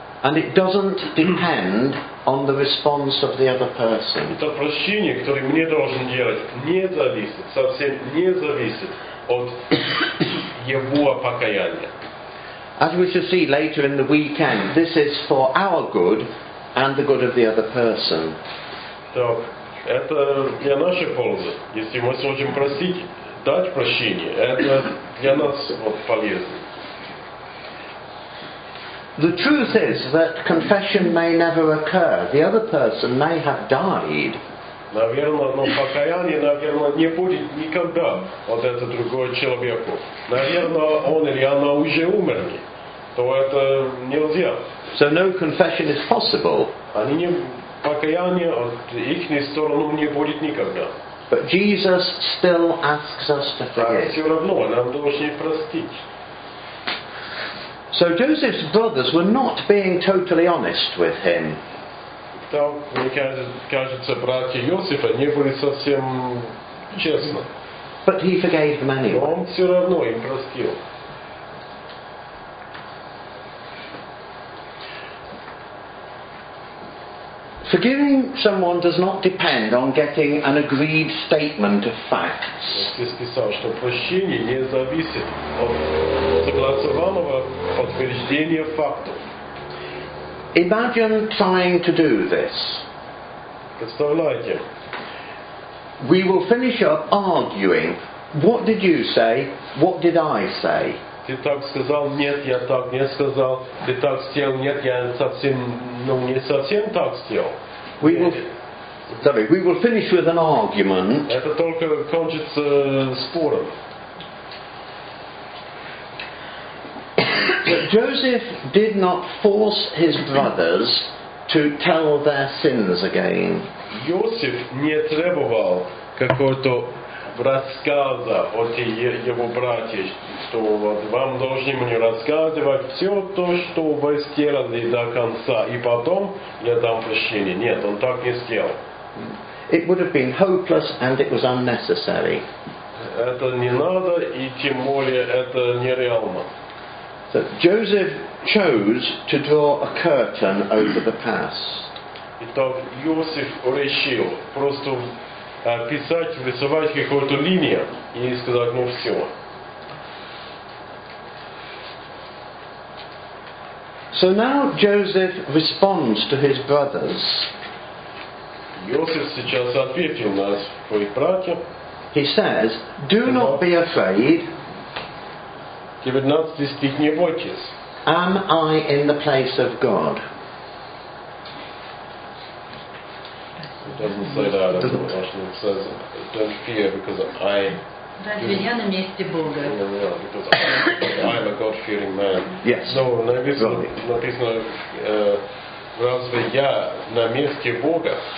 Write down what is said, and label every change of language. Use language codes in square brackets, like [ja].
[en] And it doesn't depend on the response of the other person. [ru] Это прощение, которое мне должен делать, не зависит, совсем не зависит от его покаяния. [en] As we shall see later in the weekend, this is for our good and the good of the other person. [ru] То это для нашей пользы. Если мы сможем просить, дать прощение, это для нас полезно. [en] The truth is that confession may never occur. The other person may have died. [ru] Наверное, но покаяние, наверное, не будет никогда от этого другого человека. Наверное, он или она уже умерли. То это нельзя. [en] So no confession is possible. [ru] Они не покаяние от их стороны не будет никогда. [en] But Jesus still asks us to forgive. [ru] Все равно нам должны простить. [en] So Joseph's brothers were not being totally honest with him. But he forgave them anyway. Forgiving someone does not depend on getting an agreed statement of facts. [ru] Здесь писал, что прощение не зависит от согласованного подтверждения фактов. [en] Imagine trying to do this. [ru] Представляете. [en] We will finish up arguing. What did you say? What did I say? [ru] Ты так сказал, нет, я так не сказал. Ты так сделал, нет, я совсем, ну, не совсем так сделал. [en] We will finish with an argument. [ru] Это только кончится спором. [en] Joseph did not force his brothers to tell their sins again. [ru] Йосиф не требовал какого-то рассказа от его братьев, что вот вам должны мне рассказывать все то, что вы сделали до конца, и потом я дам прощение. Нет, он так не сделал. [en] It would have been hopeless and it was unnecessary. [ru] Это не надо, и тем более это нереально. [en] So Joseph chose to draw a curtain over the past. [ru] Итак, Йосиф решил просто писать, рисовать какую-то линию и сказать, ну все. [en] So now Joseph responds to his brothers. [ru] Йосиф сейчас ответил на своих братьев. [en] He says, do not be afraid. [ru] 19 стих, не бойтесь. [en] Am I in the place of God? Doesn't say that, it says, don't fear, because I... Because I'm a God-fearing man. Yes. [ru] No, написано, разве я на месте Бога?